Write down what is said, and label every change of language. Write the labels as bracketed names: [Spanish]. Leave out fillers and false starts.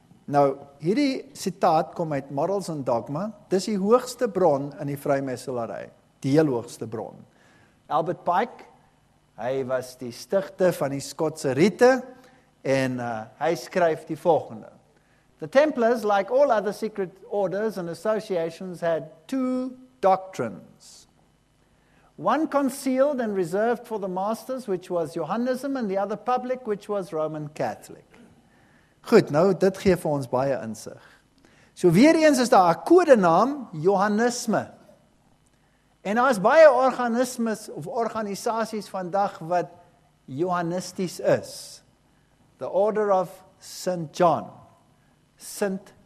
[Afrikaans] Nou, hierdie sitaat kom uit Morals and Dogma, dis die hoogste bron in die vrymesselary, die heel hoogste bron. Albert Pike, hy was die stigter van die Skotse rite, en hy skryf die volgende. [English] The Templars, like all other secret orders and associations, had two doctrines. One concealed and reserved for the masters, which was Johannism, and the other public, which was Roman Catholic. [Afrikaans] Goed, nou, dit gee vir ons baie insig. So, weer eens is daar 'n kodenaam, Johannisme. En daar is baie organismes of organisasies vandag wat Johannisties is. [English] The Order of St. John. St.